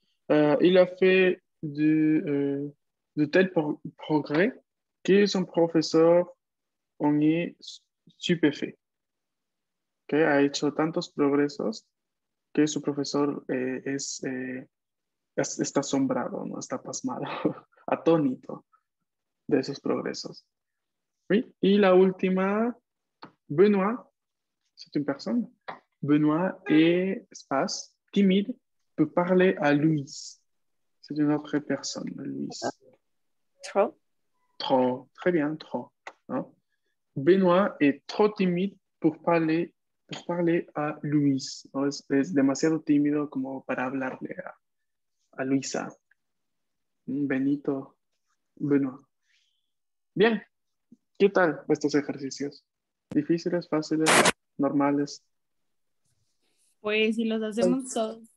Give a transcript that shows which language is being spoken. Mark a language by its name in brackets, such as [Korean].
[French] Il a fait de tels progrès que son professeur en est stupéfait. Okay? [Spanish] A hecho tantos progresos que su profesor está asombrado, no está pasmado, atónito de esos progresos. ¿Sí? Y la última, Benoît, [French] c'est une personne. Benoît est espace, timide. Peut parler à Louise. C'est une autre personne, Louise. Trop. Trop. Très bien, trop. Hein? Benoît est trop timide pour parler à Louise. [Spanish] ¿No? Es demasiado tímido como para hablarle a Luisa. Benito. Benoît. Bien. ¿Qué tal estos ejercicios? ¿Difíciles, fáciles, normales? Pues si los hacemos todos.